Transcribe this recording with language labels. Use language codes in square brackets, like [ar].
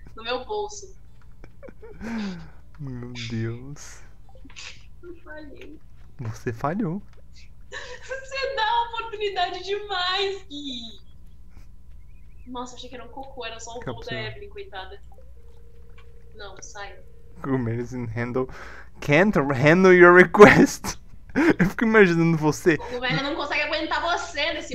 [pt] No meu bolso. Meu Deus. Eu falei. Você falhou. Dá oportunidade demais, Gui. Nossa, achei que era um cocô, era só o voo da [en] Capsule. [pt] Evelyn, coitada. Não, sai. [en] Gomez can't handle your request. [pt] Eu fico imaginando você. O governo não consegue aguentar você nesse